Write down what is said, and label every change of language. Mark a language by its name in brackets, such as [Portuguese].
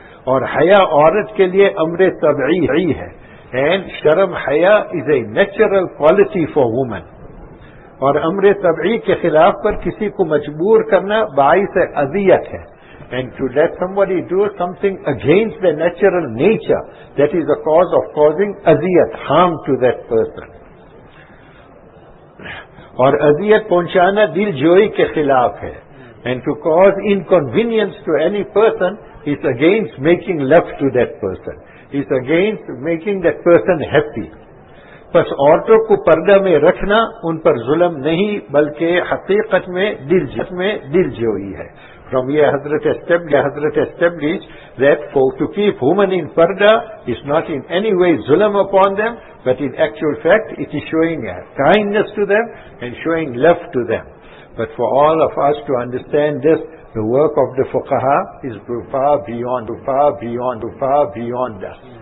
[Urdu] Aur haya aurat ke liye amre tab'i hai. [English] And sharab haya is a natural quality for woman. [Urdu] اور امر طبعی کے خلاف پر کسی کو مجبور کرنا باعث اذیت ہے. [English] And to let somebody do something against their natural nature, that is the cause of causing اذیت, harm to that person. [Urdu] اور اذیت پہنچانا دل جوئی کے خلاف ہے. [English] And to cause inconvenience to any person is against making love to that person, is against making that person happy. [Urdu] بس عورتوں کو پردہ میں رکھنا ان پر ظلم نہیں بلکہ حقیقت میں دل جوئی ہے. [English] From here Hazrat established that for to keep women in parda is not in any way zulm upon them, but in actual fact it is showing kindness to them and showing love to them. But for all of us to understand this, the work of the fuqaha is far beyond us.